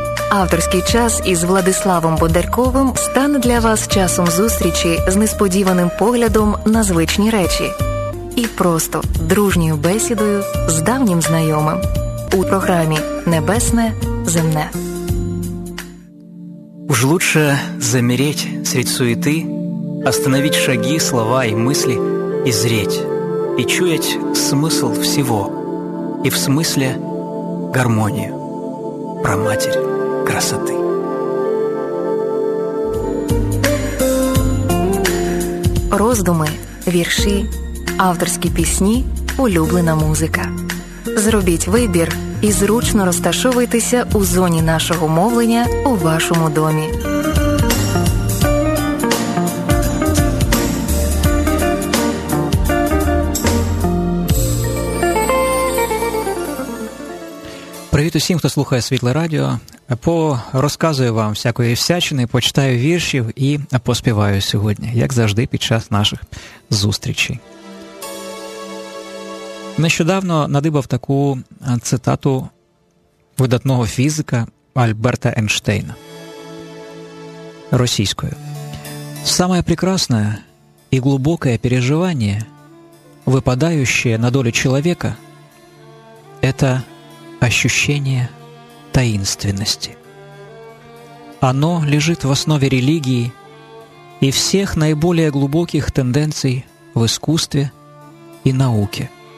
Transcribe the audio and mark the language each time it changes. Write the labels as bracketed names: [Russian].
[Ukrainian] авторський час із Владиславом Бондарковим стане для вас часом зустрічі з несподіваним поглядом на звичні речі і просто дружньою бесідою з давнім знайомим у програмі «Небесне, земне». [Russian] Уж лучше замереть средь суеты, остановить шаги, слова и мысли, и зреть, и чуять смысл всего, и в смысле гармонию, праматерь красоты. [Ukrainian] Роздуми, вірші, авторські пісні, улюблена музика. Зробіть вибір і зручно розташовуйтеся у зоні нашого мовлення у вашому домі. Привіт усім, хто слухає Світле Радіо. Порозказую вам всякої всячини, почитаю віршів і поспіваю сьогодні, як завжди під час наших зустрічей. Нещодавно надибав таку цитату видатного фізика Альберта Ейнштейна російською. [Russian] «Самое прекрасное и глубокое переживание, выпадающее на долю человека, это ощущение таинственности. Оно лежит в основе религии и всех наиболее глубоких тенденций в искусстве и науке.